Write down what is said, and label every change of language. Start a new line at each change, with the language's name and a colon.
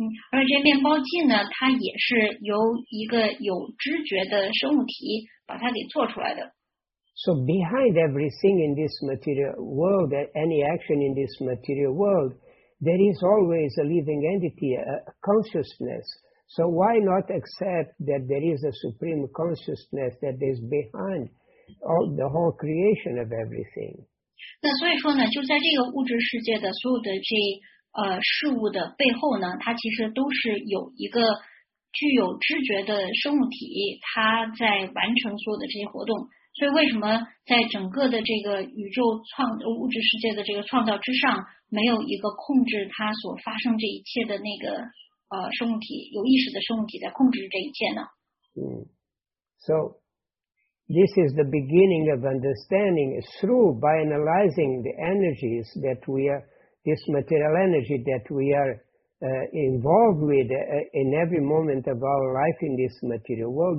Chinese: 而这面包机呢，它也是由一个有知觉的生物体把它给做出来的。
English: So behind everything in this material world, any action in this material world, there is always a living entity, a consciousness. So why not accept that there is a supreme consciousness that is behind all the whole creation of everything?
Chinese: 那所以说呢，就在这个物质世界的所有的这。事物的背后呢，它其实都是有一个具有知觉的生物体，它在完成所有的这些活动。所以为什么在整个的这个宇宙创物质世界的这个创造之上，没有一个控制它所发生这一切的那个生物体有意识的生物体在控制这一切呢？
English: 嗯 ，So this is the beginning of understanding through by analyzing the energies that we are this material energy that we are involved with in every moment of our life in this material world.